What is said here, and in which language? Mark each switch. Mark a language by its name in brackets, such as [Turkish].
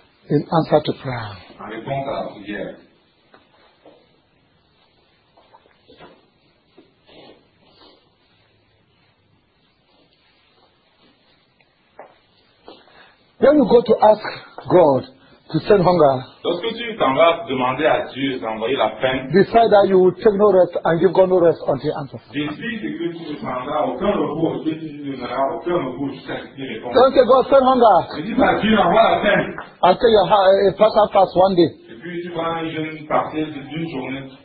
[English] In answer to prayer. [French] En réponse à la prière. [English] When you go to ask God to send hunger. [French] Lorsque tu t'en vas demander à Dieu d'envoyer la faim. [English] Decide that you will take no rest and give God no rest until he answers. [French] Décide que tu ne prendras aucun repos et que tu ne donneras aucun repos jusqu'à ce qu'il réponde. [English] Don't say God send hunger. [French] Et dis à Dieu d'envoyer la faim. [English] After you have a partial fast one day. [French] Et puis tu vas un jeûne partiel d'une journée.